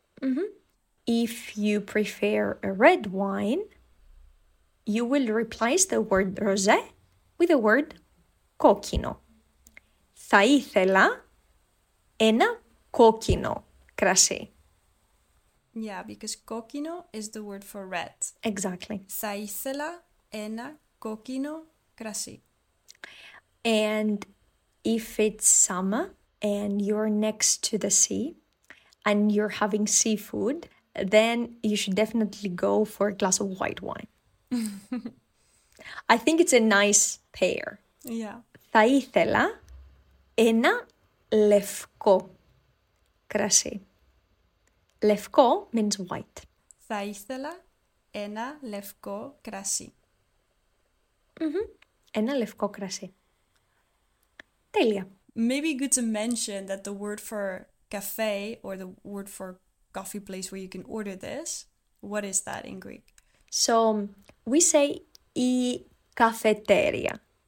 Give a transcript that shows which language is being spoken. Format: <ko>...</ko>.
<en>Mm-hmm. If you prefer a red wine, you will replace the word rosé with the word κόκκινο.</en> <el>Θα ήθελα ένα κόκκινο κρασί.</el> <en>Yeah, because κόκκινο is the word for red. Exactly.</en> <el>Θα ήθελα ένα κόκκινο κρασί.</el> <en>And if it's summer and you're next to the sea and you're having seafood, then you should definitely go for a glass of white wine. I think it's a nice pair. Yeah.</en> <el>Θα ήθελα ένα λευκό κρασί.</el> <en>Λευκό means white.</en> <el>Θα ήθελα ένα λευκό κρασί. Mm-hmm. Ένα λευκό κρασί. Τέλεια.</el> <en>Maybe good to mention that the word for cafe or the word for coffee place where you can order this, what is that in Greek? So we say</en> <el>η καφετέρια.</el>